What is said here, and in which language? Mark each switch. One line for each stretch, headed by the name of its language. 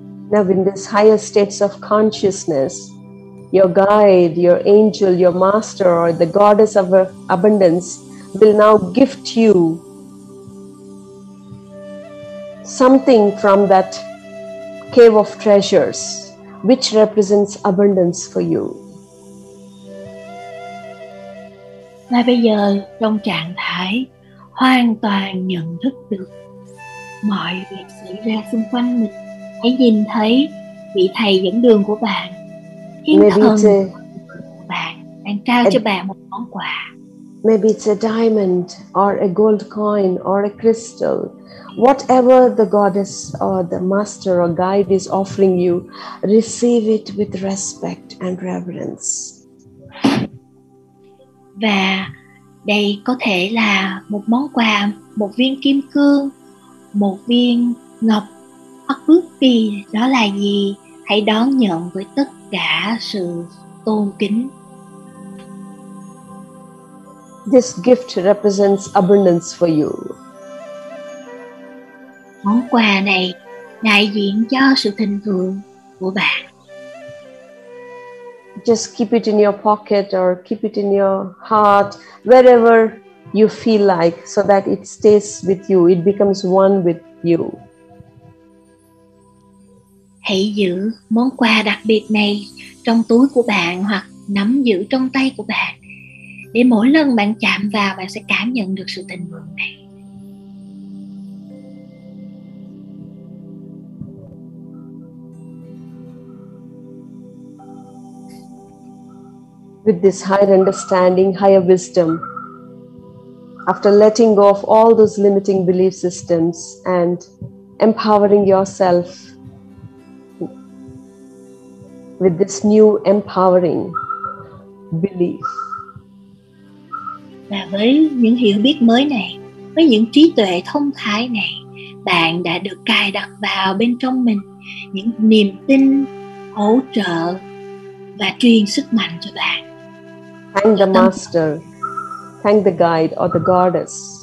English: Now in this higher states of consciousness, your guide, your angel, your master or the goddess of abundance will now gift you something from that cave of treasures which represents abundance for you.
Vietnamese: Và bây giờ trong trạng thái hoàn toàn nhận thức được mọi việc xảy ra xung quanh mình, hãy nhìn thấy vị thầy dẫn đường của bạn, thiên
English: maybe
Vietnamese: thần a, của bạn đang trao cho bạn một món quà.
English: Maybe it's a diamond or a gold coin or a crystal. Whatever the goddess or the master or guide is offering you, receive it with respect and reverence.
Vietnamese: Và Đây có thể là một món quà, một viên kim cương, một viên ngọc, hoặc bước đi đó là gì, hãy đón nhận với tất cả sự tôn kính.
English: This gift represents abundance for you.
Vietnamese: Món quà này đại diện cho sự thịnh vượng của bạn.
English: Just keep it in your pocket or keep it in your heart, wherever you feel like, so that it stays with you, it becomes one with you.
Vietnamese: Hãy giữ món quà đặc biệt này trong túi của bạn hoặc nắm giữ trong tay của bạn, để mỗi lần bạn chạm vào, bạn sẽ cảm nhận được sự thịnh vượng này.
English: With this higher understanding, higher wisdom, after letting go of all those limiting belief systems and empowering yourself with this new empowering belief.
Vietnamese: Và với những hiểu biết mới này, với những trí tuệ thông thái này, bạn đã được cài đặt vào bên trong mình những niềm tin hỗ trợ và truyền sức mạnh cho bạn.
English: Thank the master, thank the guide or the goddess.